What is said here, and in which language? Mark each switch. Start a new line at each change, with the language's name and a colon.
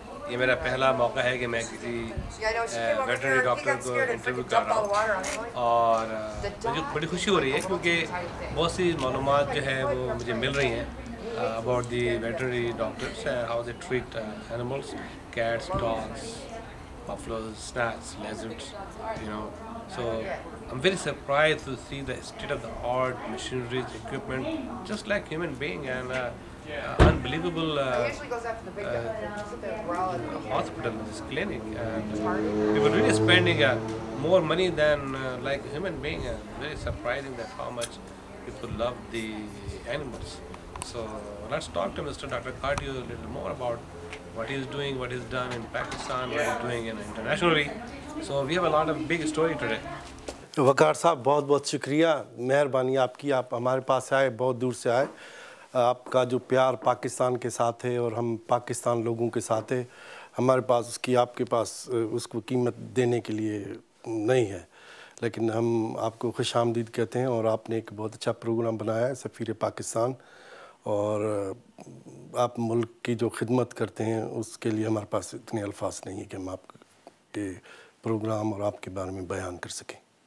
Urdu: یہ میرا پہلا موقع ہے کہ میں کسی ویٹنری ڈاکٹر کو انٹرویو کر رہا ہوں, اور مجھے بڑی خوشی ہو رہی ہے کیونکہ بہت سی معلومات جو ہے وہ مجھے مل رہی ہیں
English: about the veterinary doctors, how they treat animals,
Urdu: cats, dogs, buffaloes, snacks, لیزرڈز, you know.
English: So I'm very surprised to see the state of the art machinery equipment just like human being, and unbelievable hospital, this clinic, and we were really spending more money than like human being. Very surprising that how much people love the animals. So let's talk to Mr. Dr. Kathia a little more about what he's doing, what he's done in Pakistan, what he's doing internationally. So we have a lot of big story today.
Urdu: وقار صاحب بہت بہت شکریہ, مہربانی آپ کی, آپ ہمارے پاس آئے, بہت دور سے آئے. آپ کا جو پیار پاکستان کے ساتھ ہے اور ہم پاکستان لوگوں کے ساتھ ہے, ہمارے پاس اس کی آپ کے پاس اس کو قیمت دینے کے لیے نہیں ہے, لیکن ہم آپ کو خوش آمدید کہتے ہیں. اور آپ نے ایک بہت اچھا پروگرام بنایا ہے سفیر پاکستان, اور آپ ملک کی جو خدمت کرتے ہیں اس کے لیے ہمارے پاس اتنے الفاظ نہیں ہیں کہ ہم آپ کے پروگرام اور آپ کے بارے میں بیان کر سکیں.